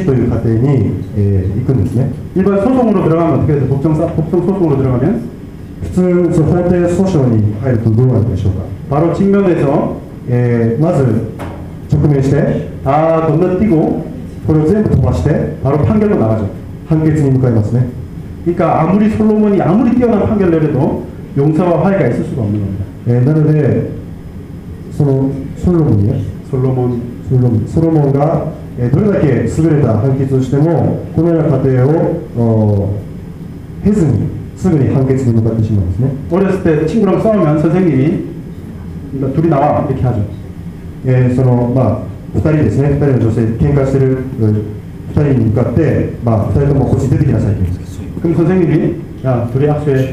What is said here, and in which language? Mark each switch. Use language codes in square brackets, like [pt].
[ja] このような過程を踏んだからこそ許しという過程に行くんですね。 [ko] 일반 소송으로 들어가면 어떻게 되죠? 법정 소송으로 들어가면? [ja] 普通法廷訴訟に入るとどうなるでしょうか。 [ko] 바로 직면에서 [ja] まず直面して [ko] 다 건너뛰고 [ja] これを全部飛ばして [ko] 바로 판결로 나가죠. [ja] 判決に向かいますね。 [ko] 그러니까 아무리 솔로몬이 아무리 뛰어난 판결을 내려도 용서와 화해가 있을 수가 없는 겁니다. [ja] なので、そのソロモンがどれだけ優れた判決をしても、このような過程を経ずに、すぐに判決に向かってしまうんですね。 [ko] 어렸을 때 친구랑 싸우면 선생님이 둘이 나와 이렇게 하죠. [ja] 2人ですね、2人の女性、喧嘩してる2人に向かって、2人ともこっち出てきなさい。 [ko] 그럼 선생님이, 야, 둘이 악수해.